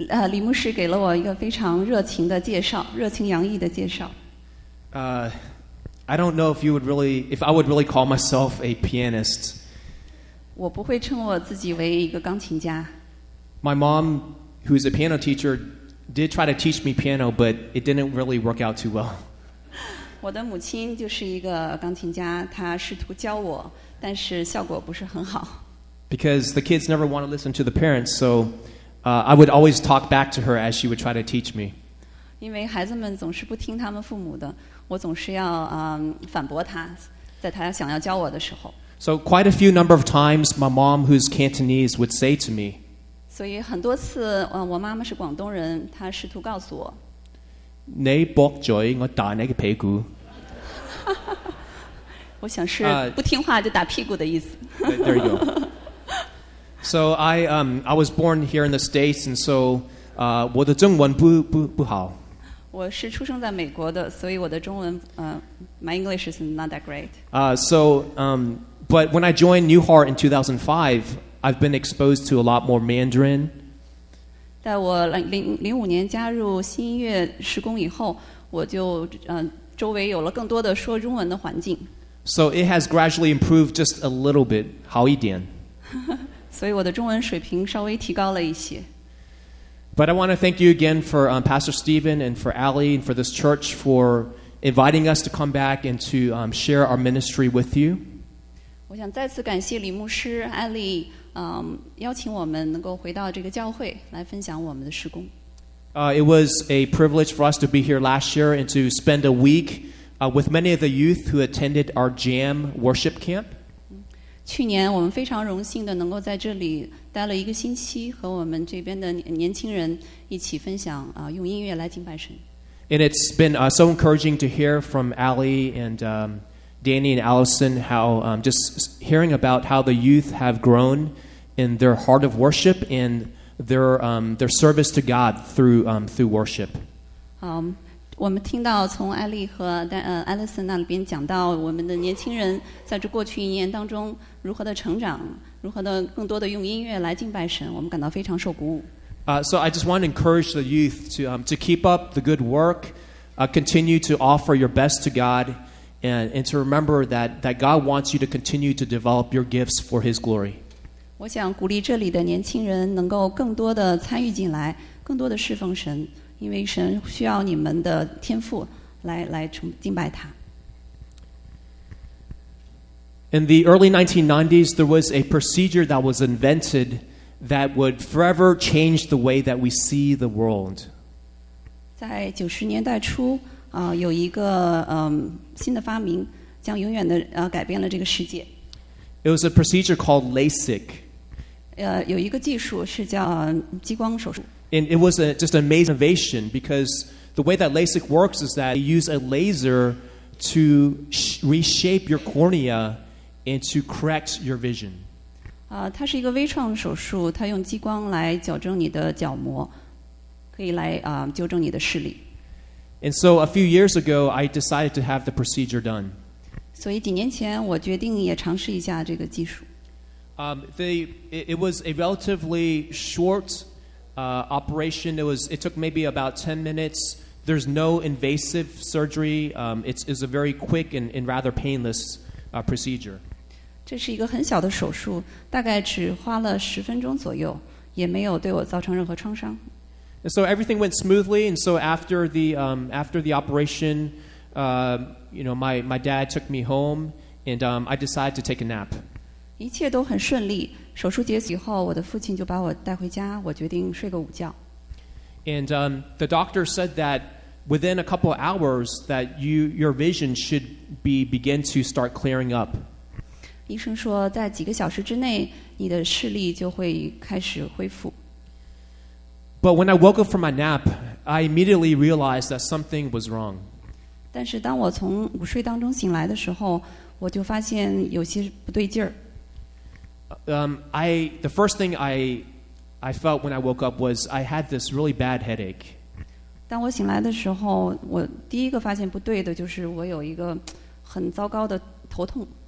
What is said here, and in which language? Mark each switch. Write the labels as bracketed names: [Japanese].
[Chinese] 李牧师给了我一个非常热情的介绍，热情洋溢的介绍。 [English] I don't know if I would really call myself a pianist. [Chinese] 我不会称我自己为一个钢琴家。 [English] My mom, who is a piano teacher, did try to teach me piano, but it didn't really work out too well. [Chinese] 我的母亲就是一个钢琴家，她试图教我，但是效果不是很好。 [English] Because the kids never want to listen to the parents, so I would always talk back to her as she would try to teach me. [Chinese] 因为孩子们总是不听他们父母的，我总是要反驳他，在他想要教我的时候。 [English] So quite a few number of times, my mom, who's Cantonese, would say to me. [Chinese] 所以很多次，我妈妈是广东人，她试图告诉我。你驳嘴，我打你个屁股。我想是不听话就打屁股的意思。 [English] There you go. So I was born here in the States, and so [Chinese] 我的中文不好。我是出生在美国的，所以我的中文 [English] my English is not that great. But when I joined New Heart in 2005, I've been exposed to a lot more Mandarin. [Chinese] 在我2005年加入新音乐施工以后，我就周围有了更多的说中文的环境。 [English] So it has gradually improved just a little bit, [Chinese] 好一点。所以我的中文水平稍微提高了一些。 [English] But I want to thank you again for Pastor Stephen and for Ali and for this church for inviting us to come back and to share our ministry with you. [Chinese] 我想再次感谢李牧师、艾丽，邀请我们能够回到这个教会来分享我们的事工。 [English] It was a privilege for us to be here last year and to spend a week with many of the youth who attended our Jam worship camp. [Chinese] 去年我们非常荣幸的能够在这里待了一个星期，和我们这边的年轻人一起分享用音乐来敬拜神。 [English] And it's been so encouraging to hear from Ali and Danny and Allison how just hearing about how the youth have grown in their heart of worship and their service to God through worship. [Chinese] 我们听到从艾丽和Allison 那边讲到我们的年轻人在这过去一年当中如何的成长，如何的更多的用音乐来敬拜神，我们感到非常受鼓舞。 [English] So I just want to encourage the youth to keep up the good work, continue to offer your best to God, and to remember that God wants you to continue to develop your gifts for His glory. [Chinese] 我想鼓励这里的年轻人能够更多的参与进来，更多的侍奉神，因为神需要你们的天赋来敬拜他。 [English] In the early 1990s, there was a procedure that was invented that would forever change the way that we see the world. [Chinese] 在九十年代初，有一个新的发明，将永远的改变了这个世界。 [English] It was a procedure called LASIK. [Chinese] 有一个技术是叫激光手术。 [English] And it was just an amazing innovation because the way that LASIK works is that you use a laser to reshape your cornea and to correct your vision. [Chinese] 它是一个微创手术，它用激光来矫正你的角膜，可以来纠正你的视力。 [English] And so a few years ago, I decided to have the procedure done. [Chinese] 所以几年前，我决定也尝试一下这个技术。 [English] It was a relatively short operation. It took maybe about 10 minutes. There's no invasive surgery. It's a very quick and rather painless procedure. [Chinese] 这是一个很小的手术，大概只花了十分钟左右，也没有对我造成任何创伤。 [English] And so everything went smoothly, and so after the operation, my dad took me home, and I decided to take a nap. [Chinese] 一切都很顺利，手术结束以后，我的父亲就把我带回家，我决定睡个午觉。 [English] And the doctor said that within a couple of hours that your vision should begin to start clearing up. [Chinese] 医生说在几个小时之内，你的视力就会开始恢复。 [English] But when I woke up from my nap, I immediately realized that something was wrong. [Chinese] 但是当我从午睡当中醒来的时候，我就发现有些不对劲儿。 [English] The first thing I felt when I woke up was I had this really bad headache. [Chinese] 当我醒来的时候，我第一个发现不对的就是我有一个很糟糕的头痛。